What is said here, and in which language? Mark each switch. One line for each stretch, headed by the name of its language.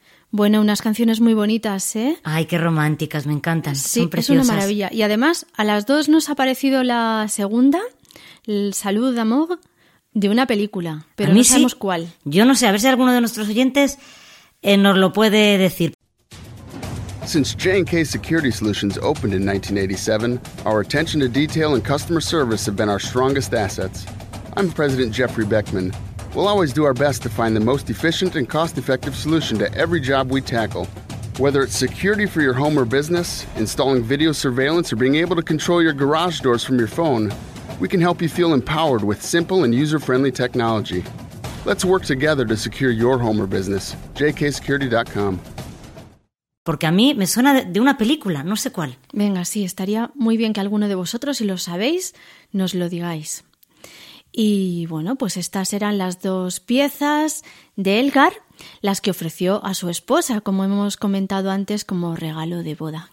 Spanish: Bueno, unas canciones muy bonitas, ¿eh? Ay, qué románticas, me encantan, sí, son preciosas. Sí, es una maravilla. Y además, a las dos nos ha parecido la segunda, el Salud d'Amour, de una película, pero no sabemos cuál. Yo no sé, a ver si alguno de nuestros oyentes nos lo puede decir.
English: Since J&K Security Solutions opened in 1987, our attention to detail and customer service have been our strongest assets. I'm President Jeffrey Beckman. We'll always do our best to find the most efficient and cost-effective solution to every job we tackle. Whether it's security for your home or business, installing video surveillance, or being able to control your garage doors from your phone, we can help you feel empowered with simple and user-friendly technology. Let's work together to secure your home or business. JKSecurity.com.
Spanish: Porque a mí me suena de una película, no sé cuál. Venga, sí, estaría muy bien que alguno de vosotros, si lo sabéis, nos lo digáis. Y bueno, pues estas eran las dos piezas de Elgar, las que ofreció a su esposa, como hemos comentado antes, como regalo de boda.